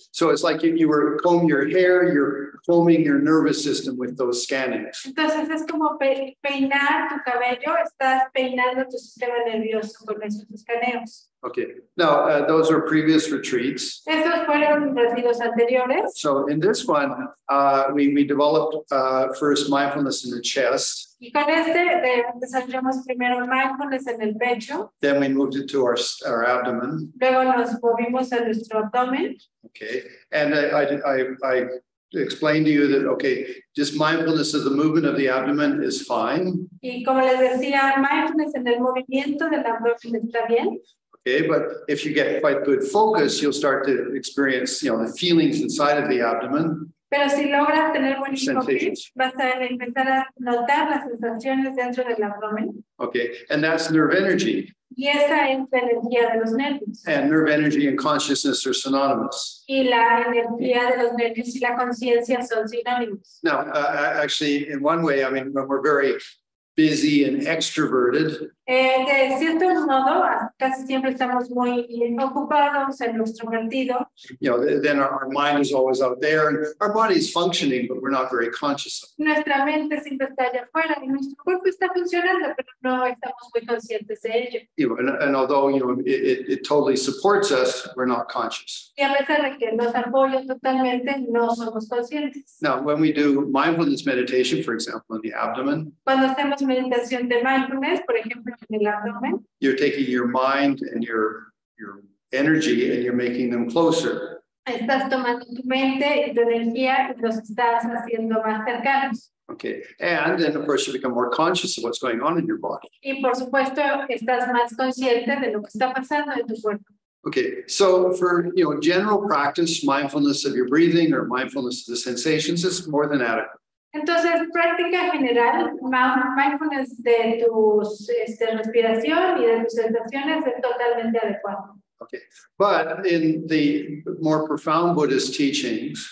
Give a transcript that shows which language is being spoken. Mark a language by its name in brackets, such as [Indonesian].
[English] So it's like if you were combing your hair, you're combing your nervous system with those scannings. [Spanish] Entonces es como peinar tu cabello, estás peinando tu sistema nervioso con esos escaneos. [English] Okay. Now, those are previous retreats. [Spanish] Esos fueron retiros anteriores. [English] So in this one, we developed first mindfulness in the chest. [Spanish] Y con este desarrollamos primero mindfulness en el pecho. [English] Then we moved it to our abdomen. [Spanish] Luego nos movimos a nuestro abdomen. [English] Okay. And I explain to you that, okay, just mindfulness of the movement of the abdomen is fine. [Spanish] Y como les decía, mindfulness en el movimiento del abdomen está bien. [English] Okay, but if you get quite good focus, you'll start to experience, you know, the feelings inside of the abdomen. [Spanish] Pero si logras tener buen sensations. Focus, vas a empezar a notar las sensaciones dentro del abdomen. [English] Okay, and that's nerve energy. [Spanish] Y esa es la energía de los nervios. [English] And nerve energy and consciousness are synonymous. [Spanish] Y la energía de los nervios y la conciencia son sinónimos. [English] Now, actually, in one way, I mean, when we're very busy and extroverted. [Spanish] De cierto modo, casi siempre estamos muy ocupados en nuestro sentido. [English] You know, then our mind is always out there, and our body is functioning, but we're not very conscious of it. [Spanish] Nuestra mente siempre está allá afuera, y nuestro cuerpo está funcionando, pero no estamos muy conscientes de ello. [English] You know, and although, you know, it totally supports us, we're not conscious. [Spanish] Y a pesar de que nos apoya totalmente, no somos conscientes. [English] Now, when we do mindfulness meditation, for example, in the abdomen. [Spanish] Cuando hacemos meditación de mindfulness, por ejemplo. [English] You're taking your mind and your energy and you're making them closer. [Spanish] Estás tomando tu mente y tu energía y los estás haciendo más cercanos. [English] Okay, and then of course you become more conscious of what's going on in your body. [Spanish] Y por supuesto estás más consciente de lo que está pasando en tu cuerpo. [English] Okay, so for, you know, general practice, mindfulness of your breathing or mindfulness of the sensations is more than adequate. [Spanish] Entonces, práctica general, mindfulness de tus respiración y de tus sensaciones es totalmente adecuado. [English] Okay, but in the more profound Buddhist teachings,